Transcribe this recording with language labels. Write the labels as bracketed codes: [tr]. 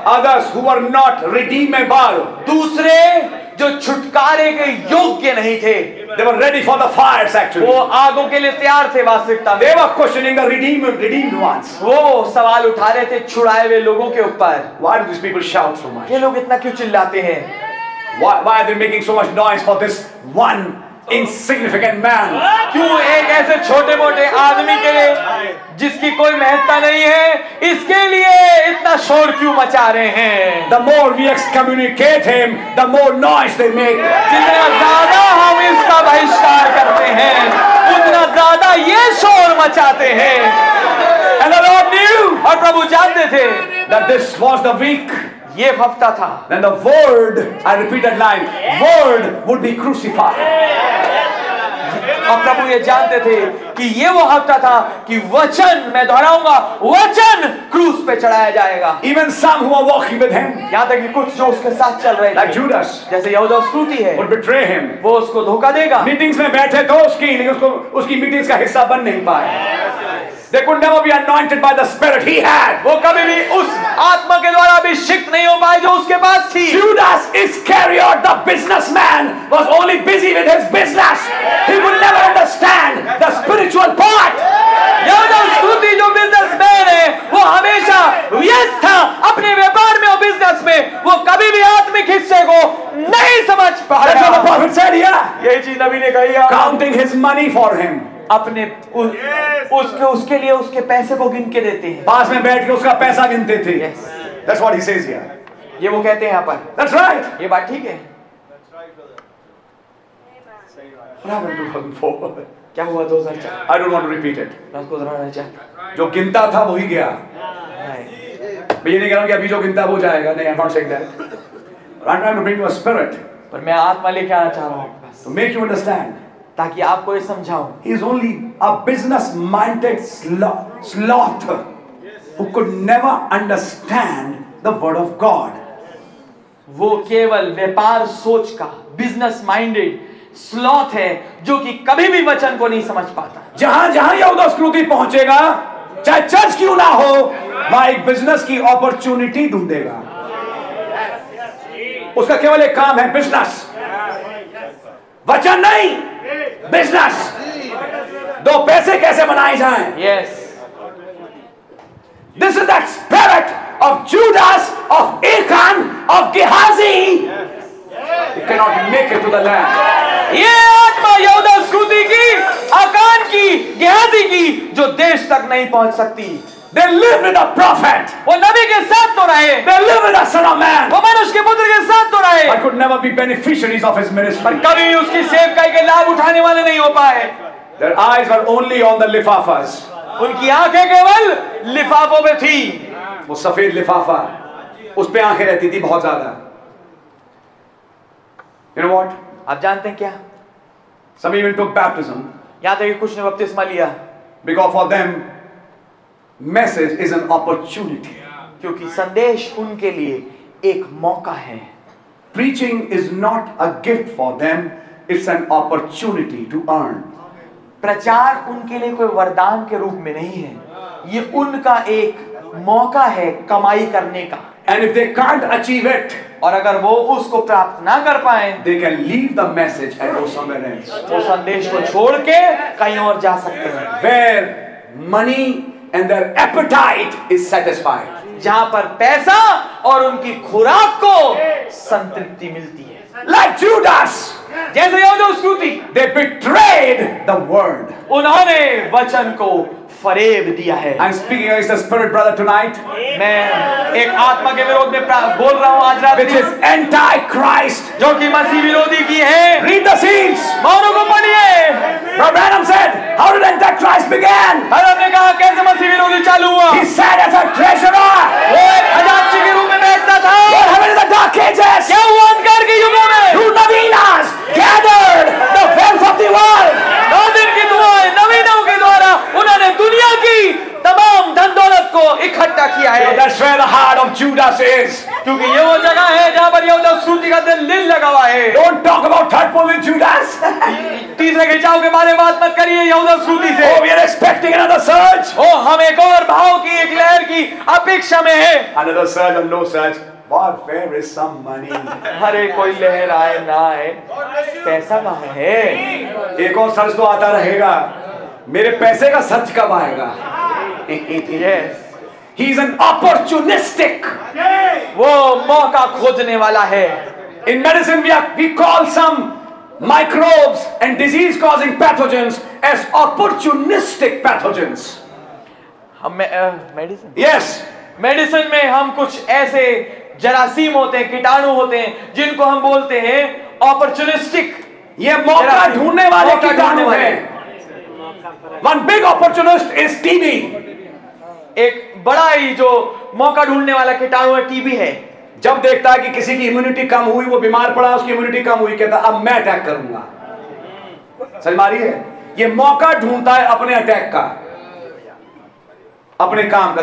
[en] Others who are not redeemable. [hi] दूसरे जो छुटकारे के योग्य नहीं थे. [en] They were ready for the fires actually. [hi] वो आगों के लिए तैयार थे वास्तविकता. [en] They were questioning the redeemed ones. [hi] वो सवाल उठा रहे थे छुड़ाए हुए लोगों के ऊपर. [en] Why do these people shout so much? [hi] ये लोग इतना क्यों चिल्लाते हैं? [en] Why are they making so much noise for this one insignificant man. [hi] क्यों एक ऐसे छोटे मोटे आदमी के लिए जिसकी कोई महत्ता नहीं है इसके लिए इतना शोर क्यों मचा रहे हैं? [en] The more we excommunicate him, the more noise they make. [hi] जितना ज्यादा हम इसका बहिष्कार करते हैं उतना ज्यादा ये शोर मचाते हैं. [en] And the Lord knew, [hi] और प्रभु जानते थे, [en] that this was the week. [hi] ये हफ्ता था. [en] Then the word, I repeat that line, word would be crucified. [hi] और प्रभु ये जानते थे कि ये वो हफ्ता था कि वचन, मैं दोहराऊंगा, वचन क्रूस पे चढ़ाया जाएगा. [en] Even some who are walking with him, [hi] यहां तक कि कुछ जो उसके साथ चल रहे थे, [en] like Judas, [hi] जैसे यहूदा इस्करियोती है, [en] would betray him, [hi] वो उसको धोखा देगा. मीटिंग्स में बैठे थे उसकी, लेकिन उसको उसकी मीटिंग्स का हिस्सा बन नहीं पाए. [en] They could never be anointed by the spirit he had. [hi] वो कभी भी उस आत्मा के द्वारा अभिषिक्त नहीं हो पाए जो उसके पास थी. [en] Judas Iscariot, the businessman, was only busy with his business. He would never understand the spiritual part. [hi] यहूदा इस्करियोती जो बिजनेसमैन है वो हमेशा व्यस्त था अपने व्यापार में और बिजनेस में, वो कभी भी आत्मिक हिस्से को नहीं समझ पाया. यही चीज नबी ने कही, [en] counting his money for him, [hi] अपने उसके उसके लिए उसके पैसे को गिन के देते हैं, पास में बैठ के उसका पैसा गिनते थे. [en] Yes. That's what he says here. [hi] ये वो कहते हैं यहाँ पर. [en] That's right. [hi] ये बात ठीक है. [en] That's right, brother. Amen. [hi] क्या हुआ 2004? [en] I don't want to repeat it. [hi] उसको दोहरा नहीं चाहता. जो गिनता था वही गया. मैं ये नहीं कह रहा हूँ कि अभी जो गिनता वो जाएगा. [en] नहीं, I'm not saying that. I'm trying to bring you a spirit. [hi] पर मैं आत्मा लेके आना चाह रहा हूँ. [en] To make you understand. [hi] ताकि आपको ये समझाऊं. [en] He is only a business minded sloth who could never understand the word of God. [hi] वो केवल व्यापार सोच का [en] business minded sloth [hi] है जो कि कभी भी वचन को नहीं समझ पाता. जहां जहां यहूदा इस्करियोती पहुंचेगा, चाहे चर्च क्यों ना हो, वहां एक बिजनेस की अपॉर्चुनिटी ढूंढेगा. उसका केवल एक काम है, बिजनेस. वचन नहीं, बिजनेस. दो पैसे कैसे बनाए जाएं? [en] Yes. This is that spirit of Judas, of Achan, of Gehazi. Yes. He cannot make it to the land. [hi] ये आत्मा यहूदा इस्करियोती की, अकान की, गेहाजी की, जो देश तक नहीं पहुंच सकती. [en] They live with a prophet. [hi] वो नबी के साथ तो रहे. [en] They live with a son of man. [hi] वो मनुष्य के पुत्र के साथ तो रहे. [en] I could never be beneficiaries of his ministry. [hi] पर कभी उसकी सेवकाई के लाभ उठाने वाले नहीं हो पाए. [en] Their eyes were only on the lifafas. [hi] उनकी आंखें केवल लिफाफों पे थी. वो सफेद लिफाफा, उस पे आंखें रहती थी बहुत ज्यादा. [en] You know what? [hi] आप जानते हैं क्या? [en] Some even took baptism. [hi] याद है कि कुछ ने बपतिस्मा लिया. [en] Because for them, message is an opportunity. [hi] क्योंकि संदेश उनके लिए एक मौका है. [en] Preaching is not a gift for them, it's an opportunity to earn. [hi] प्रचार उनके लिए कोई वरदान के रूप में नहीं है, ये उनका एक मौका है कमाई करने का. [en] And if they can't achieve it, [hi] और अगर वो उसको प्राप्त ना कर पाए, [en] they can leave the message and go somewhere else. [hi] वो संदेश को छोड़ के कहीं और जा सकते हैं. [en] Where money and their appetite is satisfied. [hi] जहां पर पैसा और उनकी खुराक को संतृप्ति मिलती है. [en] Like Judas, [hi] जैसे यहूदा इस्करियोती, [en] they betrayed the word. [hi] उन्होंने वचन को फरेब दिया है. [en] I'm speaking against the spirit, brother, tonight. [hi] मैं एक आत्मा के विरोध में बोल रहा हूँ आज रात. [en] Which is anti-Christ, [hi] जो कि मसीह विरोधी की है. [en] Read the scenes, [hi] मानों को पढ़िए. [en] Brother Branham said, how did anti-Christ begin? [hi] Brother ने कहा कैसे मसीह विरोधी चालू हुआ? [en] He sat as a treasurer. [hi] वो एक खजांची के रूप में बैठता था. [en] What happened in the dark ages? [hi] क्या हुआ अंधकार के युगों में? [en] Two novenas gathered the wealth of the world. [hi] नौ दिन की दुआएं नवीनों के द्वारा उन्होंने दुनिया की तमाम धन दौलत को इकट्ठा किया है. [en] That's where the heart of Judas is. [hi] क्योंकि ये वो जगह है जहाँ पर यहूदा इस्करियोती का दिल लील लगा हुआ है. [en] Don't talk about third pole with Judas. [hi] तीसरे खिंचाव के बारे में बात मत करिए यहूदा इस्करियोती से. [en] Oh, we are expecting another surge. [hi] Oh, हम एक और भाव की, एक लहर की अपेक्षा में है. Another surge or no surge, but where is some money? अरे कोई लहर आए ना आए, पैसा कहाँ है? एक और सर्ज तो आता रहेगा. मेरे पैसे का सर्ज कब आएगा? [en] Yes. He is an opportunistic. [hi] वो मौका खोजने वाला है. [en] In medicine we call some microbes and disease causing pathogens as opportunistic pathogens. Medicine. Yes. [hi] Medicine में हम कुछ ऐसे जरासीम होते हैं, कीटाणु होते हैं, जिनको हम बोलते हैं opportunistic. ये मौका ढूंढने वाले कीटाणु हैं. [en] One big opportunist is TB. [hi] एक बड़ा ही जो मौका ढूंढने वाला कीटाणु है टीबी है. जब देखता है कि किसी की इम्यूनिटी कम हुई, वो बीमार पड़ा, उसकी इम्यूनिटी कम हुई, कहता अब मैं अटैक करूंगा. सही मारी है. ये मौका ढूंढता है अपने अटैक का, अपने काम का.